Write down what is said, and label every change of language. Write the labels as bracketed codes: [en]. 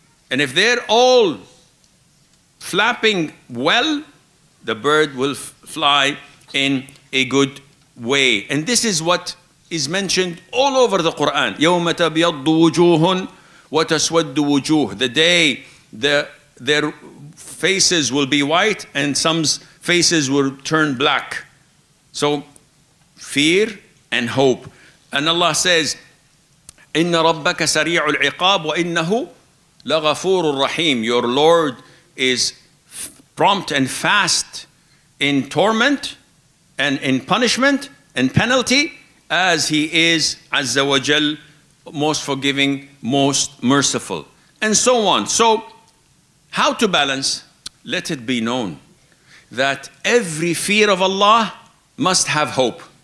[en] And if they're all flapping well, the bird will fly in a good way. And this is what is mentioned all over the Quran. [ar] يَوْمَ تَبْيَضُّ وُجُوهٌ وَتَسْوَدُّ وُجُوهٌ. [en] The day their faces will be white and some's faces will turn black. So, fear and hope. And Allah says, [ar] إِنَّ رَبَّكَ سَرِيعُ الْعِقَابُ وَإِنَّهُ لَغَفُورٌ رَحِيمٌ. [en] Your Lord is prompt and fast in torment and in punishment and penalty, as He is Azza wa Jal, most forgiving, most merciful. And so on. So, how to balance? Let it be known that every fear of Allah must have hope.